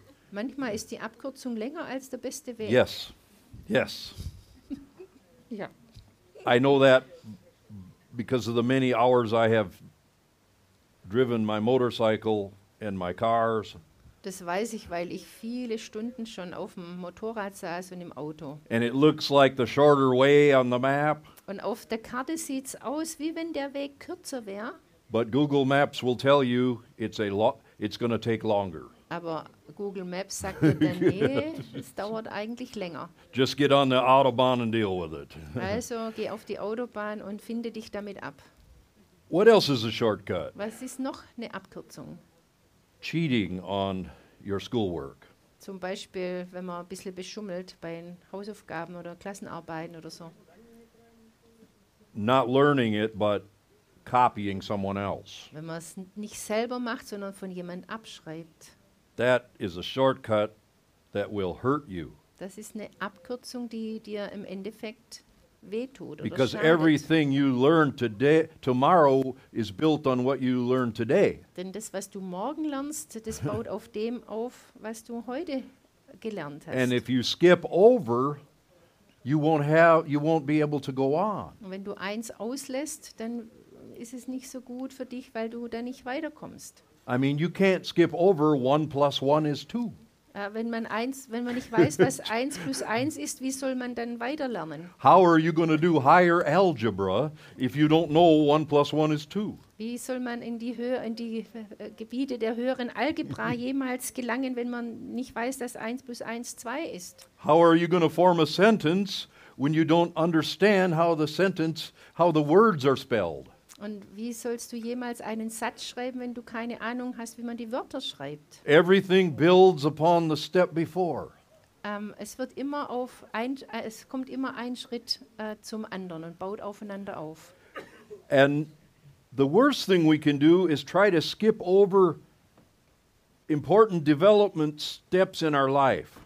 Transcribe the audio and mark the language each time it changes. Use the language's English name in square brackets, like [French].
[German] Manchmal ist die Abkürzung länger als der beste Weg. [English] Yes. Yes. [German] Ja. [English] I know that because of the many hours I have driven my motorcycle and my cars. [German] Das weiß ich, weil ich viele Stunden schon auf dem Motorrad saß und im Auto. [English] And it looks like the shorter way on the map. [German] Und auf der Karte sieht's aus, wie wenn der Weg kürzer wäre. [English] But Google Maps will tell you it's going to take longer. [German] Aber Google Maps sagt dir dann, nee, es dauert eigentlich länger. [English] Just get on the autobahn and deal with it. [German] Also geh auf die Autobahn und finde dich damit ab. [English] What else is a shortcut? [German] Was ist noch eine Abkürzung? [English] Cheating on your schoolwork. [German] Zum Beispiel, wenn man ein bisschen beschummelt bei den Hausaufgaben oder Klassenarbeiten oder so. [English] Not learning it, but copying someone else. [German] Wenn man es nicht selber macht, sondern von jemand abschreibt. [English] That is a shortcut that will hurt you. [German] Das ist eine Abkürzung, die dir im Endeffekt wehtut. [English] Because everything you learn today, tomorrow is built on what you learn today. [German] Denn das, was du morgen lernst, das baut auf dem auf, was du heute gelernt hast. [English] And if you skip over, you won't be able to go on. [German] Und wenn du eins auslässt, dann ist es nicht so gut für dich, weil du da nicht weiterkommst. [English] I mean, you can't skip over 1 + 1 = 2. [German] Wenn man nicht weiß, was 1 + 1 ist, wie soll man dann weiterlernen? [English] How are you going to do higher algebra if you don't know 1 + 1 = 2? [German] Wie soll man in die Gebiete der höheren Algebra jemals gelangen, wenn man nicht weiß, dass 1 + 1 = 2 ist? [English] How are you going to form a sentence when you don't understand how the words are spelled? [German] Und wie sollst du jemals einen Satz schreiben, wenn du keine Ahnung hast, wie man die Wörter schreibt? [English] Everything builds upon the step before. [German] Es kommt immer ein Schritt zum anderen und baut aufeinander auf. [English] And the worst thing we can do is try to skip over important development steps in our life.